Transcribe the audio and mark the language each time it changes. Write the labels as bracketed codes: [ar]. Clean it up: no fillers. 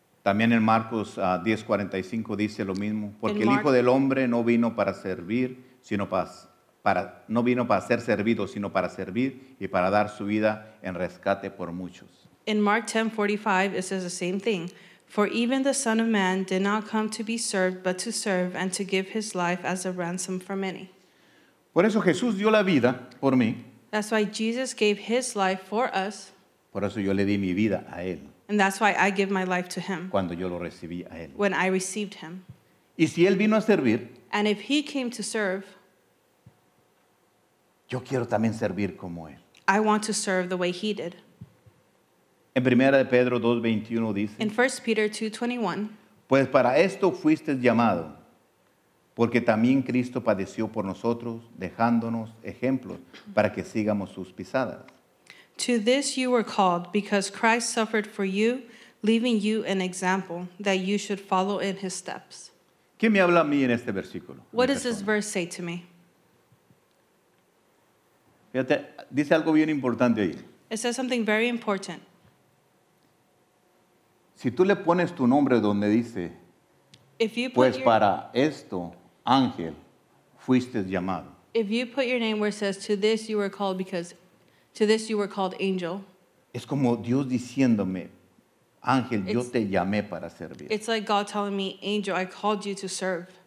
[es] También en Marcos 10:45 dice lo mismo, porque el Hijo del Hombre no vino para servir, sino no vino para ser servido, sino para servir y para dar su vida en rescate por muchos. [en] In Mark 10:45 it says the same thing, for even the Son of Man did not come to be served, but to serve and to give his life as a ransom for many. [es] Por eso Jesús dio la vida por mí. [en] That's why Jesus gave his life for us. [es] Por eso yo le di mi vida a él. [en] And that's why I give my life to him. [es] Cuando yo lo recibí a él. [en] When I received him. [es] Y si él vino a servir, [en] and if he came to serve, [es] yo quiero también servir como él. [en] I want to serve the way he did. [es] En Primera de Pedro 2:21 dice, [en] in 1 Peter 2:21, [es] pues para esto fuisteis llamado, porque también Cristo padeció por nosotros, dejándonos ejemplos para que sigamos sus pisadas. [en] To this you were called, because Christ suffered for you, leaving you an example, that you should follow in his steps. [es] ¿Qué me habla a mí en este versículo? [en] What does this verse say to me? [es] Fíjate, dice algo bien importante ahí. [en] It says something very important. [es] Si tú le pones tu nombre donde dice, [en] if you put [es] pues [en] your, [es] para esto, ángel, fuiste llamado. [en] If you put your name where it says, to this you were called, because to this you were called angel. [es] Es como Dios diciéndome, ángel, yo te llamé para servir. [en] It's like God telling me, angel, I called you to serve.